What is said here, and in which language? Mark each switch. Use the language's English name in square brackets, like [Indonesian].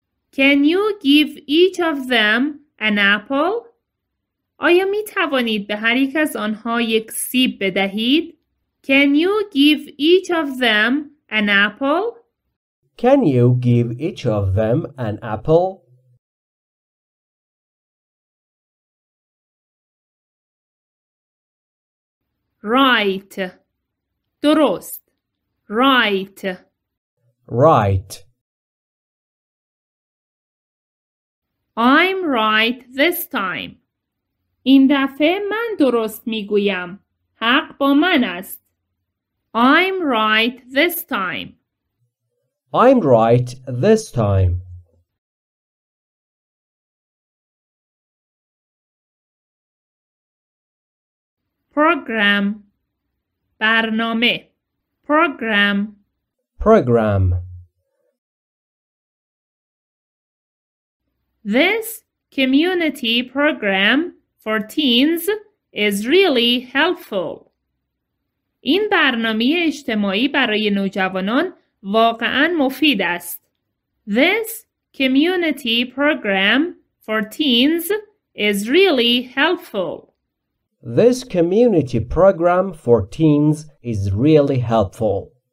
[English] Can you give each of them an apple? [Persian] آیا می توانید به هر یک از آنها یک سیب بدهید؟ [English] Can you give each of them an apple? Can you give each of them an apple? Right. درست. Right. Right. I'm right this time. [Persian] این دفعه من درست میگویم. حق با من است. [English] I'm right this time. I'm right this time. Program. برنامه. Program. Program. This community program for teens is really helpful. [Persian] این برنامه اجتماعی برای نوجوانان واقعا مفید است. [English] This community program for teens is really helpful. This community program for teens is really helpful.